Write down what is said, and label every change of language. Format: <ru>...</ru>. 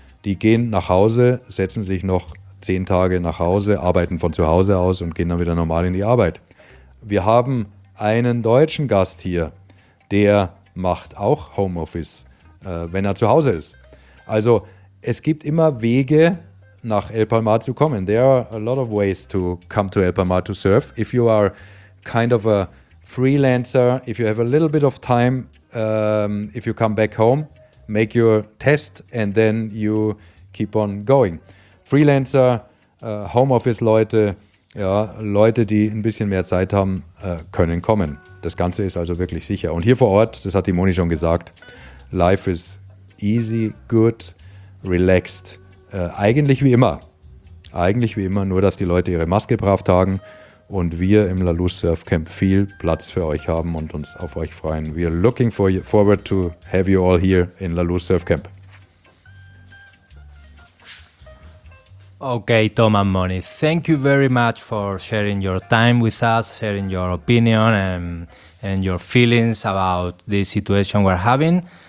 <de>Die gehen nach Hause, setzen sich noch 10 Tage nach Hause, arbeiten von zu Hause aus und gehen dann wieder normal in die Arbeit. Wir haben einen deutschen Gast hier, der macht auch Homeoffice, wenn er zu Hause ist. Also es gibt immer Wege, nach El Palmar zu kommen.</de> <en>There are a lot of ways to come to El Palmar to surf. If you are kind of a freelancer, if you have a little bit of time, if you come back home, make your test and then you keep on going.</en> <de>Freelancer, Homeoffice-Leute, ja, Leute, die ein bisschen mehr Zeit haben, können kommen. Das Ganze ist also wirklich sicher. Und hier vor Ort, das hat die Moni schon gesagt,</de> <en>life is easy, good, relaxed.</en> <de>Eigentlich wie immer, nur dass die Leute ihre Maske brav tragen und wir im La Luz Surf Camp viel Platz für euch haben und uns auf euch freuen.</de> <en>We are looking for you, forward to have you all here in La Luz Surf Camp. Okay, Tom and Moni, thank you very much for sharing your time with us, sharing your opinion and your feelings about the situation we're having.</en>